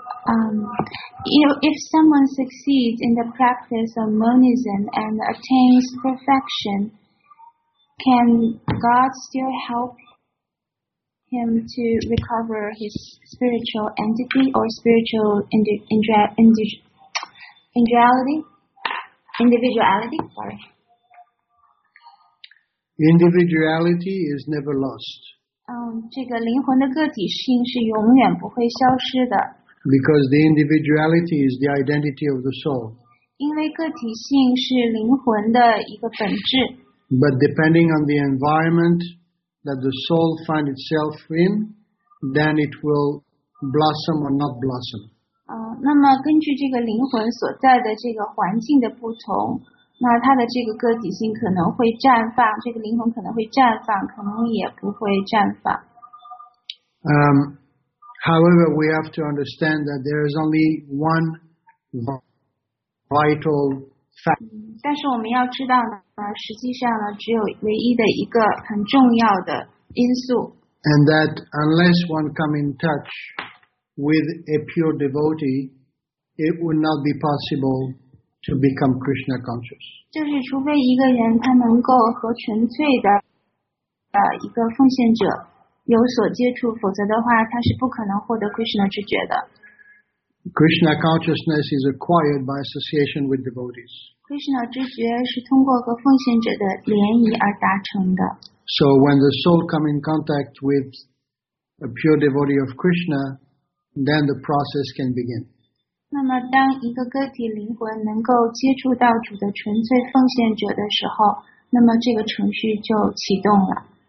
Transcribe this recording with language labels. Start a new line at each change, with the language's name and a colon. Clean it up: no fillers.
English: If someone succeeds in the practice of monism and attains perfection,Can God still help him to recover his spiritual entity or spiritual individuality? Sorry. Individuality is never lost.
Chinese: 这个灵魂的个体性是永远不会消失的。
English: Because the individuality is the identity of the soul.
Chinese: 因为个体性是灵魂的一个本质。
English: But depending on the environment that the soul finds itself in, then it will blossom or not blossom.
Chinese: 那么根据这个灵魂所在的这个环境的不同，那它的这个个体性可能会绽放，这个灵魂可能会绽放，可能也不会绽放。
English: However, we have to understand that there is only one vital.
Chinese: 但是我们要知道呢，实际上呢，只有唯一的一个很重要的因素。
English: And that unless one come in touch with a pure devotee, it would not be possible to become Krishna conscious.
Chinese: 就是除非一个人他能够和纯粹的一个奉献者有所接触，否则的话，他是不可能获得 Krishna 知觉的。
English: Krishna consciousness is acquired by association with devotees.
Chinese: Krishna 知觉是通过和奉献者的联谊而达成的。
English: So when the soul comes in contact with a pure devotee of Krishna, then the process can begin.
Chinese: 那么当一个个体灵魂能够接触到主的纯粹奉献者的时候，那么这个程序就启动了。